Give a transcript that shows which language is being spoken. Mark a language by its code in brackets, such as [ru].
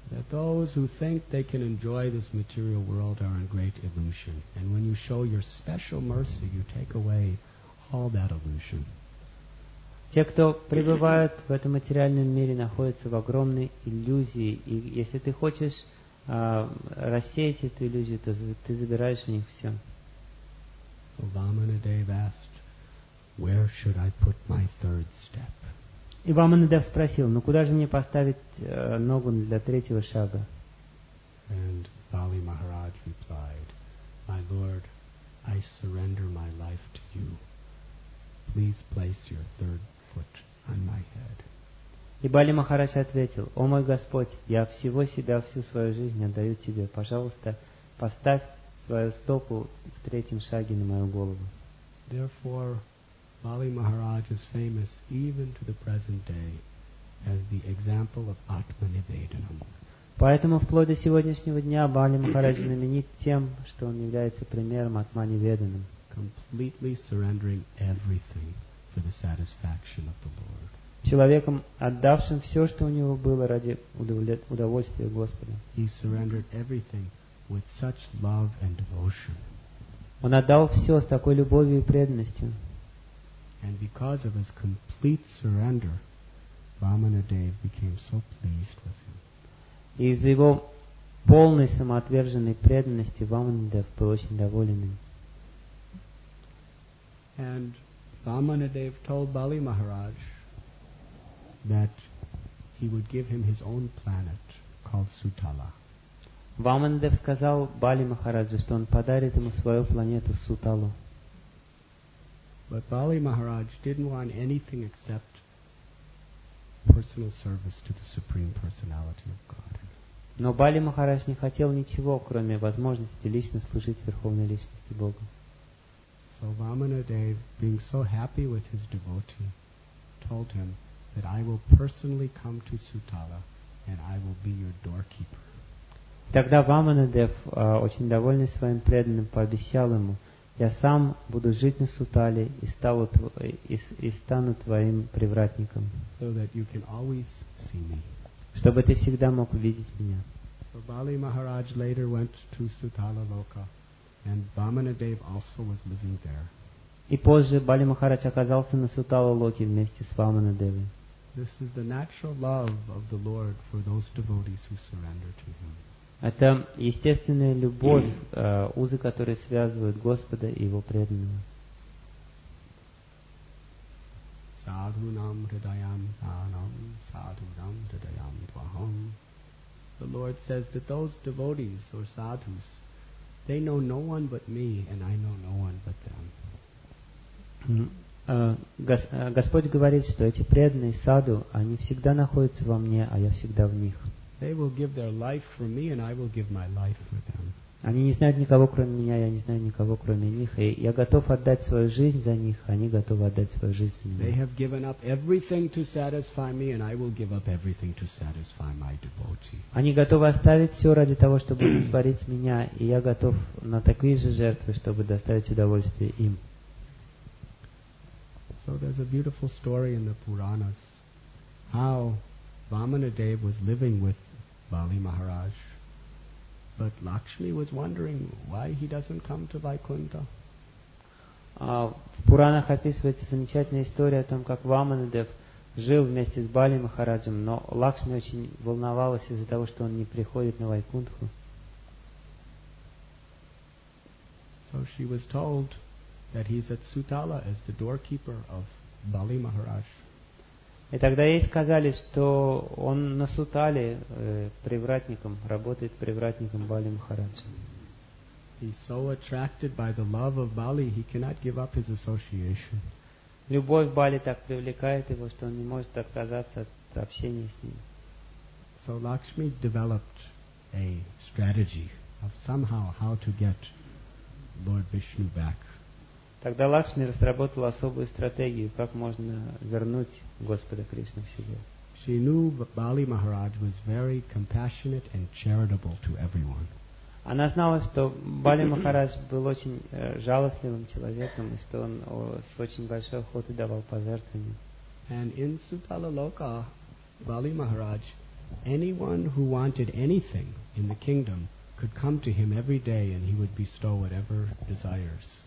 [en] That those who think they can enjoy this material world are in great illusion. And when you show your special mercy, you take away all that illusion. [ru] Те, кто пребывают в этом материальном мире, находятся в огромной иллюзии. И если ты хочешь рассеять эту иллюзию, то ты забираешь у них все. [en] So Vamanadeva asked, Where should I put my third step? [ru] И Ваманадев спросил: "Ну куда же мне поставить ногу для третьего шага?" [en] And Bali Maharaj replied, "My Lord, I surrender my life to you. Please place your third foot on my head." [ru] И Бали Махарадж ответил: "О мой Господь, я всего себя, всю свою жизнь отдаю тебе. Пожалуйста, поставь свою стопу в третьем шаге на мою голову." [en] Therefore, Bali Maharaj is famous even to the present day as the example of Atmanivedanam. [ru] Поэтому вплоть до сегодняшнего дня Бали Махарадж знаменит тем, что он является примером Атманиведанам. [en] Completely surrendering everything for the satisfaction of the Lord. [ru] Человеком, отдавшим все, что у него было ради удовольствия Господа. [en] He surrendered everything with such love and devotion. [ru] Он отдал все с такой любовью и преданностью. [en] And because of his complete surrender, Vamanadeva became so pleased with him. [ru] Из-за его полной самоотверженной преданности Ваманадев был очень доволен им. [en] And Vamanadev told Bali Maharaj that he would give him his own planet called Sutala. [ru] Vamanadev сказал Бали Махараджу, что он подарит ему свою планету Суталу. [en] But Bali Maharaj didn't want anything except personal service to the Supreme Personality of Godhead. [ru] Но Бали Махарадж не хотел ничего, кроме возможности лично служить Верховной Личности Бога. [en] So Vamanadev, being so happy with his devotee, told him that I will personally come to Sutala and I will be your doorkeeper. [ru] Тогда Vamanadev, очень довольный своим преданным, пообещал ему: я сам буду жить на Сутале и стану твоим привратником. [en] So that you can always see me. [ru] Чтобы ты всегда мог увидеть меня. [en] So Bali Maharaj later went to Sutala Loka. And Vamanadev also was living there. [ru] И позже Бали Махарадж оказался на Сутала-локе вместе с Вамана-деви. [en] This is the natural love of the Lord for those devotees who surrender to Him. [ru] Это естественная любовь, узы, которые связывают Господа и Его преданного. [sa] Садхунам хридаям санам, садхунам хридаям двахам. [en] The Lord says that those devotees or sadhus, they know no one but me, and I know no one but them. [ru] Господь говорит, что эти преданные саду, они всегда находятся во мне, а я всегда в них. [en] They will give their life for me, and I will give my life for them. [ru] Они не знают никого кроме меня, я не знаю никого кроме них, и я готов отдать свою жизнь за них, они готовы отдать свою жизнь за меня. [en] They have given up everything to satisfy me, and I will give up everything to satisfy my devotee. [ru] Они готовы оставить все ради того, чтобы удовлетворить меня, и я готов на такие же жертвы, чтобы доставить удовольствие им. [en] So there's a beautiful story in the Puranas how Vamanadev was living with Bali Maharaj. But Lakshmi was wondering why he doesn't come to Vaikuntha. [ru] В Пуранах описывается замечательная история о том, как Vamanadev жил вместе с Бали Махараджем, но Лакшми очень волновалась из-за того, что он не приходит на Вайкунтху. [en] So she was told that he's at Sutala as the doorkeeper of Bali Maharaj. [ru] И тогда ей сказали, что он на Сутале привратником, работает привратником Бали Махараджа. [en] He's so attracted by the love of Bali, he cannot give up his association. [ru] Любовь Бали так привлекает его, что он не может отказаться от общения с ним. [en] So Lakshmi developed a strategy of somehow how to get Lord Vishnu back. [ru] Тогда Лакшми разработала особую стратегию, как можно вернуть Господа Кришну в себе. [en] She knew Bali Maharaj was very compassionate and charitable to everyone. [ru] Она знала, что Бали Махарадж был очень жалостливым человеком, и что он с очень большой охотой давал пожертвования. [en] And in Sutala Loka, Bali Maharaj, anyone who wanted anything in the kingdom could come to him every day, and he would bestow whatever desires.